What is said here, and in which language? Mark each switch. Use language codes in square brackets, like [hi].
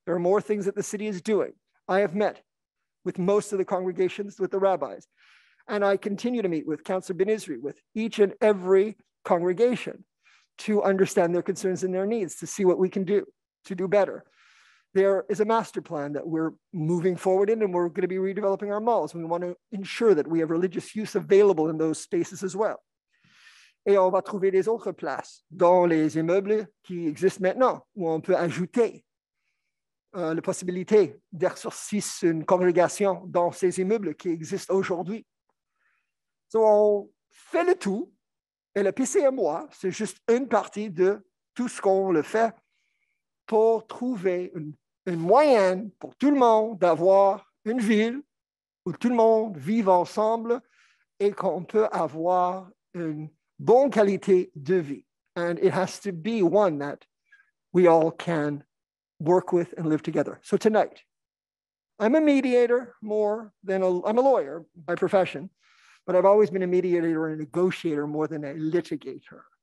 [en] There are more things that the city is doing. I have met with most of the congregations, with the rabbis, and I continue to meet with Councillor Benizri, with each and every congregation, to understand their concerns and their needs, to see what we can do to do better. There is a master plan that we're moving forward in, and we're going to be redeveloping our malls. We want to ensure that we have religious use available in those spaces as well. [fr] Et on va trouver des autres places dans les immeubles qui existent maintenant, où on peut ajouter la possibilité d'exercice une congrégation dans ces immeubles qui existent aujourd'hui. So on fait le tout, et le PCMOI, c'est juste une partie de tout ce qu'on le fait pour trouver une moyenne pour tout le monde d'avoir une ville où tout le monde vive ensemble et qu'on peut avoir une bonne qualité de vie. [en] And it has to be one that we all can work with and live together. So tonight, I'm a mediator more than I'm a lawyer by profession, but I've always been a mediator and a negotiator more than a litigator.